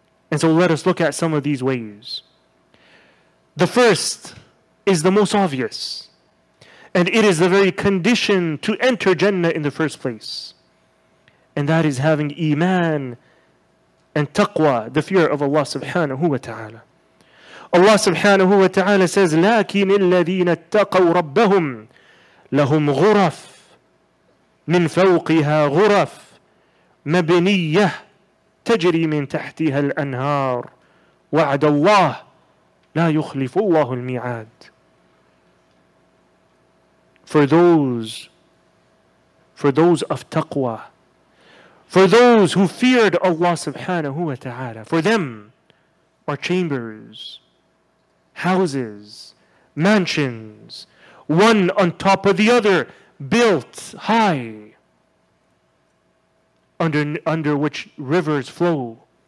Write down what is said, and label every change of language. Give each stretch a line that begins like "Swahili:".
English: And so let us look at some of these ways. The first is the most obvious, and it is the very condition to enter Jannah in the first place. And that is having iman and taqwa, the fear of Allah subhanahu wa ta'ala. Allah subhanahu wa ta'ala says,
Arabic: لَكِنِ الَّذِينَ اتَّقَوْا رَبَّهُمْ لَهُمْ غُرَفْ مِنْ فَوْقِهَا غُرَفْ مَبْنِيَّةٌ تَجْرِي مِنْ تَحْتِهَا الْأَنْهَارُ وَعَدَ اللَّهُ لَا يُخْلِفُ اللَّهُ الْمِيعَادِ.
English: For those of taqwa, for those who feared Allah subhanahu wa ta'ala, for them are chambers, houses, mansions, one on top of the other, built high, under which rivers flow,